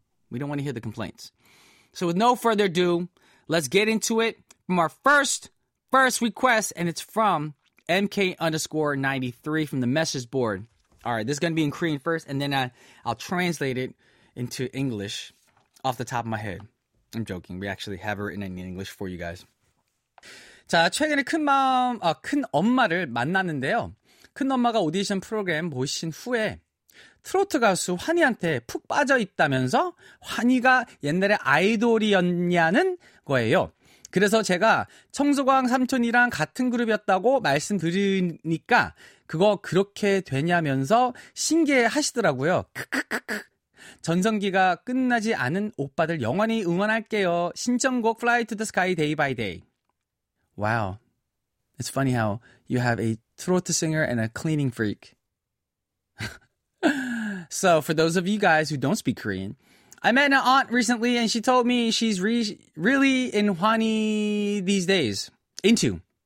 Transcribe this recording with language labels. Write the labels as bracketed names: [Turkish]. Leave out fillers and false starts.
[English] We don't want to hear the complaints. So with no further ado, let's get into it from our first request. And it's from MK_93 from the message board. All right, this is going to be in Korean first. And then I'll translate it into English. Off the top of my head, I'm joking. We actually have it written in English for you guys. [Korean] 자, 최근에 큰 마음, 큰 엄마를 만났는데요. 큰 엄마가 오디션 프로그램 보신 후에 트로트 가수 환희한테 푹 빠져 있다면서 환희가 옛날에 아이돌이었냐는 거예요. 그래서 제가 청소광 삼촌이랑 같은 그룹이었다고 말씀드리니까 그거 그렇게 되냐면서 신기해하시더라고요. 전성기가 끝나지 않은 오빠들 영원히 응원할게요. 신청곡 Fly to the Sky Day by Day. Wow. [English] It's funny how you have a throat singer and a cleaning freak. So for those of you guys who don't speak Korean, I met an aunt recently and she told me she's really in Hwani these days. Into.